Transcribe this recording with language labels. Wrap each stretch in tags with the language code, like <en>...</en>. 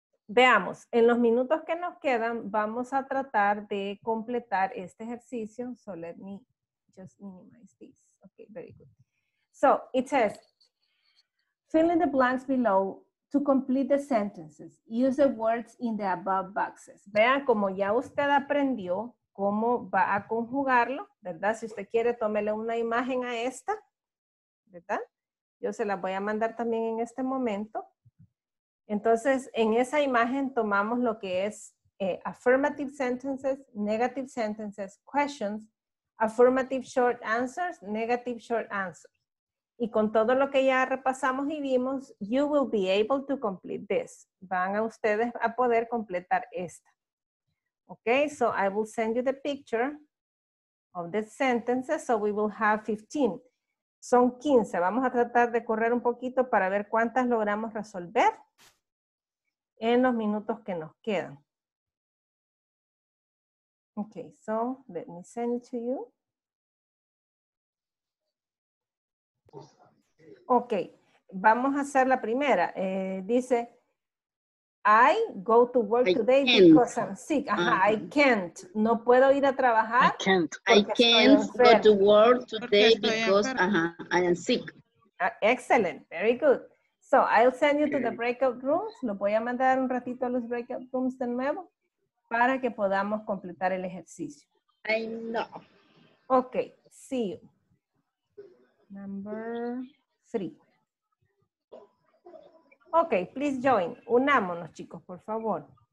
<es>Veamos, en los minutos que nos quedan, vamos a tratar de completar este ejercicio.</es> <en>So let me just minimize this. Okay, very good. So it says, fill in the blanks below to complete the sentences. Use the words in the above boxes.</en> <es>Vean como ya usted aprendió cómo va a conjugarlo, ¿verdad? Si usted quiere, tómele una imagen a esta, ¿verdad? Yo se la voy a mandar también en este momento. Entonces, en esa imagen tomamos lo que es</es> <en>affirmative sentences, negative sentences, questions, affirmative short answers,</en> <es>negative short answers. Y con todo lo que ya repasamos y vimos,</es> <en>you will be able to complete this.</en> <es>Van a ustedes a poder completar esta.</es> <en>Okay, so I will send you the picture of the sentences, so we will have 15.</en> <es>Son 15. Vamos a tratar de correr un poquito para ver cuántas logramos resolver en los minutos que nos quedan.</es> <en>Okay, so let me send it to you. Okay,</en> <es>vamos a hacer la primera. Dice,</es> <en>I go to work today because I'm sick. I can't.</en> <es>No puedo ir a trabajar.</es> <en>I can't go to work today because I am sick. Excellent. Very good. So I'll send you to the breakout rooms.</en> <es>Lo voy a mandar un ratito a los breakout rooms de nuevo para que podamos completar el ejercicio.</es> <en>I know. Okay. See you. Number three.</en> <es>Ok,</es> <en>please join.</en> <es>Unámonos, chicos, por favor.</es>